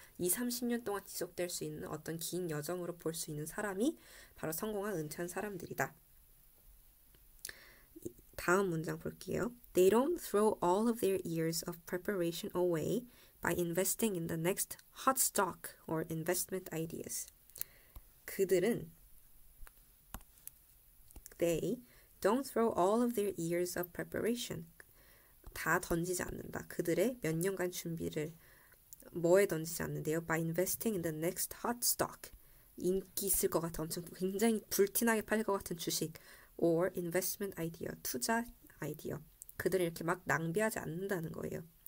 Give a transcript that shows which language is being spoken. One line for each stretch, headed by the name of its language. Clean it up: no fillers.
Korean: 2, 30년 동안 지속될 수 있는 어떤 긴 여정으로 볼수 있는 사람이 바로 성공한 은퇴한 사람들이다. 다음 문장 볼게요.
English: They don't throw all of their years of preparation away by investing in the next hot stock or investment ideas. 그들은 They don't throw all of their years of preparation.
Korean: 다 던지지 않는다. 그들의 몇 년간 준비를 뭐에 던지지 않는데요?
English: By investing in the next hot stock.
Korean: 인기 있을 것 같아. 엄청 굉장히 불티나게 팔릴 것 같은 주식.
English: or investment idea,
Korean: 투자 아이디어. 그들은 이렇게 막 낭비하지 않는다는 거예요.